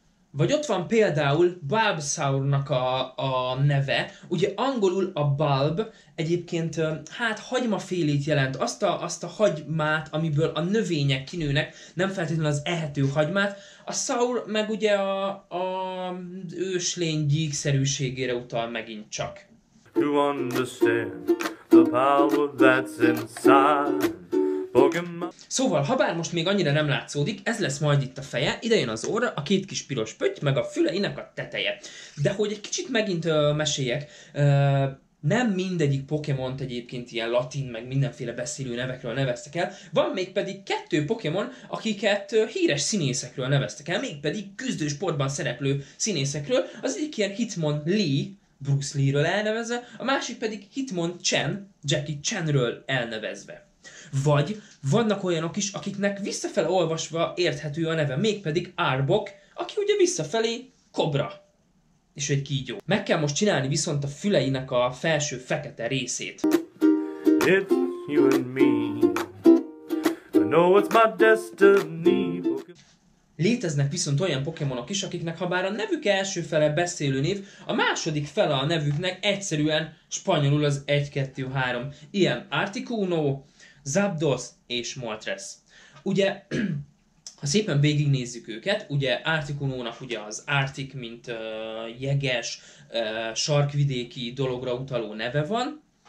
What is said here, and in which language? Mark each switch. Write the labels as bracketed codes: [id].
[hu] Vagy ott van például Bulbasaur-nak a neve, ugye angolul a bulb egyébként hát hagymafélét jelent, azt a hagymát, amiből a növények kinőnek, nem feltétlenül az ehető hagymát, a saur meg ugye a őslény gyíkszerűségére utal megint csak. [en] To understand the power that's inside. [hu] Szóval, ha bár most még annyira nem látszódik, ez lesz majd itt a feje, ide jön az orra, a két kis piros pötty, meg a füleinek a teteje. De hogy egy kicsit megint meséljek, nem mindegyik Pokémont egyébként ilyen latin, meg mindenféle beszélő nevekről neveztek el, van még pedig kettő Pokémon, akiket híres színészekről neveztek el, mégpedig küzdősportban szereplő színészekről, az egyik ilyen Hitmon Lee, Bruce Lee-ről elnevezve, a másik pedig Hitmon Chen, Jackie Chanről elnevezve. Vagy vannak olyanok is, akiknek visszafele olvasva érthető a neve, mégpedig Arbok, aki ugye visszafelé Kobra. És egy kígyó. Meg kell most csinálni viszont a füleinek a felső fekete részét. [en] It's you and me. I know it's my destiny. [hu] Léteznek viszont olyan pokémonok is, akiknek habár a nevük első fele beszélő név, a második fele a nevüknek egyszerűen spanyolul az 1-2-3. Ilyen Articuno, Zapdos és Moltres. Ugye, ha szépen végignézzük őket, ugye Articunónak ugye az Arctic, mint jeges, sarkvidéki dologra utaló neve van.